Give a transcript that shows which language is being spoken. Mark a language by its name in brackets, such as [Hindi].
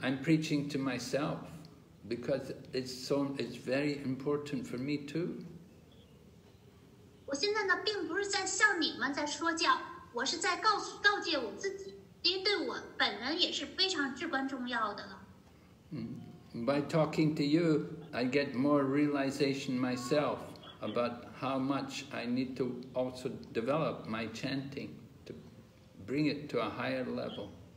[English] I'm preaching to myself, because it's very important for me too. [Chinese] 我现在呢，并不是在向你们在说教，我是在告诉告诫我自己，因为对我本人也是非常至关重要的了。 [English] By talking to you, I get more realization myself about how much I need to also develop my chanting to bring it to a higher level.